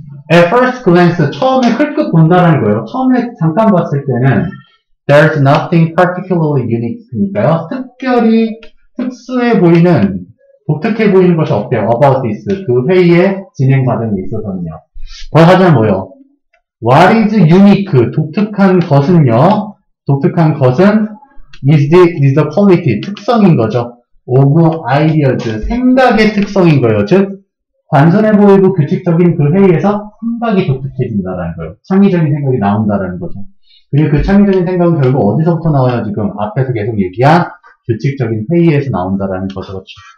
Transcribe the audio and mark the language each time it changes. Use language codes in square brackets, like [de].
[en] At first glance, [ko] 처음에 흘끗 본다는 거예요. 처음에 잠깐 봤을 때는 [en] there's nothing particularly unique [ko] 니까요. 특별히 특수해 보이는 독특해 보이는 것이 없대요. [en] About this. [ko] 그 회의의 진행 과정에 있어서는요. 더 하자면 뭐요? [en] What is unique? [ko] 독특한 것은요. 독특한 것은 [en] is the quality. [ko] 특성인 거죠. [en] Of ideas. [ko] 생각의 특성인 거예요. 즉, 단순해 보이고 규칙적인 그 회의에서 생각이 독특해진다라는 거예요. 창의적인 생각이 나온다라는 거죠. 그리고 그 창의적인 생각은 결국 어디서부터 나와요? 지금 앞에서 계속 얘기한 규칙적인 회의에서 나온다라는 거죠. 그렇죠?